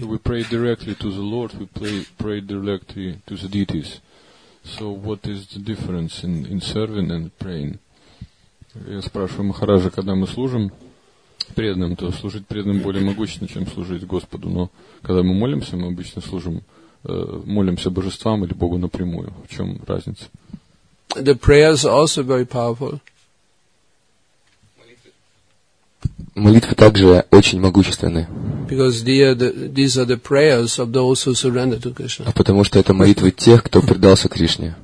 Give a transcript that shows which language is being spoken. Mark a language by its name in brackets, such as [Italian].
[English] We pray directly to the Lord, we pray directly to the deities. So what is the difference in serving and praying? [Russian] Я спрашиваю Махараджа, когда мы служим преданным, то служить преданным более могущественно, чем служить Господу. Но когда мы обычно служим, молимся божествам или Богу напрямую. В чем разница? [English] The prayers are also very powerful. [Russian] Молитвы также очень могущественны. [English] These are the prayers of those who surrender to Krishna. [Russian] А потому что это молитвы тех, кто предался Кришне.